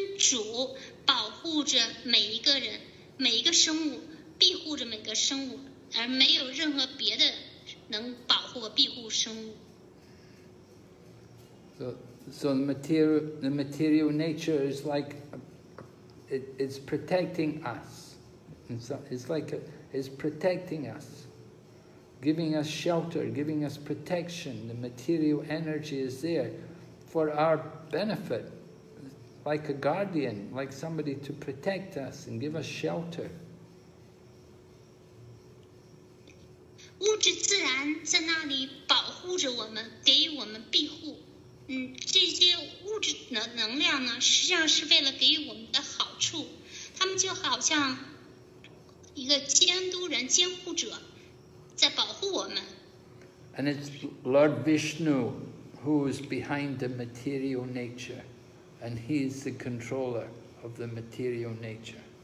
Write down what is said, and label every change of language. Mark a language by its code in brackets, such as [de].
[zh] 主保护着每一个人，每一个生物，庇护着每个生物，而没有任何别的能保护和庇护生物。 [en] So the material nature is like it's protecting us. It's protecting us, giving us shelter, giving us protection. The material energy is there for our benefit, like a guardian, like somebody to protect us and give us shelter. [zh] 物质自然在那里保护着我们，给予我们庇护。这些物质的能量呢，实际上是为了给予我们的好处。他们就好像一个监督人、监护者，在保护我们。 [en] And it's Lord Vishnu who is behind the material nature, and he is the controller of the material nature.